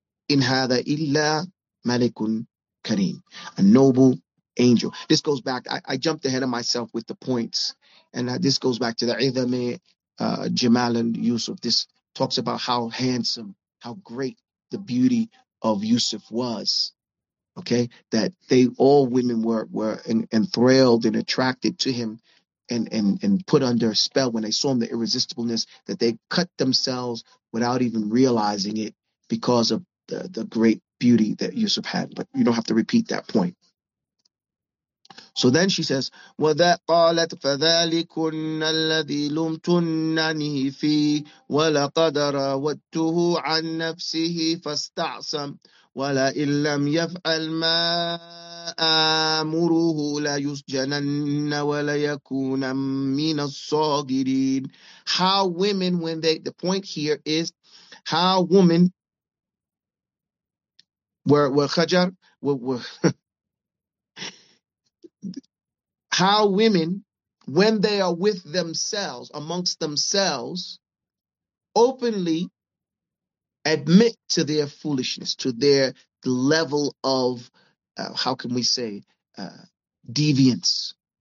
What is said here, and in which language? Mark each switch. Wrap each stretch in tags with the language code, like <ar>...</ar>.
<ar>إِنْ هَذَا إِلَّا Malikun Kareem,</ar> <en>a noble angel. This goes back. I jumped ahead of myself with the points. And this goes back to the Idhame Jamal and Yusuf. This talks about how handsome, how great the beauty of Yusuf was. Okay. That they all women were enthralled and attracted to him and put under a spell when they saw him, the irresistibleness, that they cut themselves without even realizing it because of the great beauty that Yusuf had, but you don't have to repeat that point. So then she says,</en> <ar>وَذَا قَالَتْ فَذَلِكُنَّ الَّذِي لُمْتُنَّنِهِ فِيهِ وَلَقَدْ رَاوَدْتُهُ عَنْ نَفْسِهِ فَاسْتَعْصَمْ وَلَئِنْ لَمْ يَفْعَلْ مَا آمُرُهُ لَيُسْجَنَنَّ وَلَيَكُونَ مِنَ الصَّاغِرِينَ.</ar> <en>How women, when they, the point here is, how women, Were Khajar, how women, when they are with themselves, amongst themselves, openly admit to their foolishness, to their level of, how can we say, deviance.</en>